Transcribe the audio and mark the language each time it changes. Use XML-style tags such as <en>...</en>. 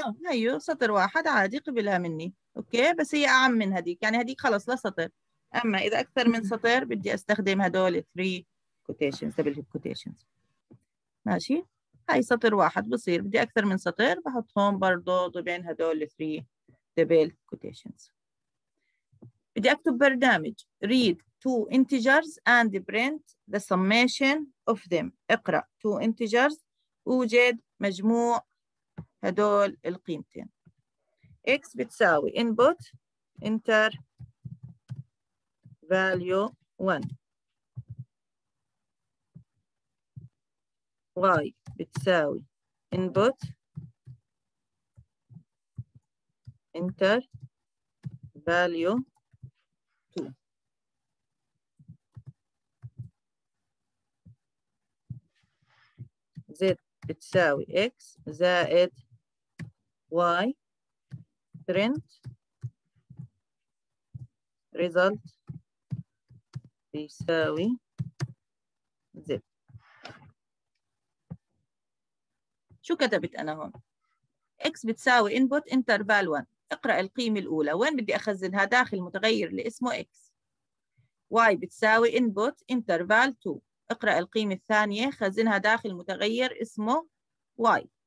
<ar>هيو سطر واحد عادي قبلها مني، أوكي؟ بس هي أعم من هذيك، يعني هذيك خلص لا سطر. أما إذا أكثر من سطر بدي أستخدم هدول 3 quotations، double quotations. ماشي؟ هاي سطر واحد بصير، بدي أكثر من سطر بحط هون برضو ضمن هدول 3 double quotations. بدي أكتب برنامج</ar> <en>read two integers and print the summation of them.</en> <ar>اقرأ two integers، وجد مجموع هدول القيمتين.</ar> <en>x بتساوي input enter value 1، y بتساوي input enter value 2،</en> <ar>z بتساوي x زائد y print result بيساوي زد. شو كتبت أنا هون؟ X بتساوي input interval 1، اقرأ القيمة الأولى، وين بدي أخزنها؟ داخل متغير اللي اسمه X. Y بتساوي input interval 2، اقرأ القيمة الثانية، خزنها داخل متغير اسمه Y.</ar>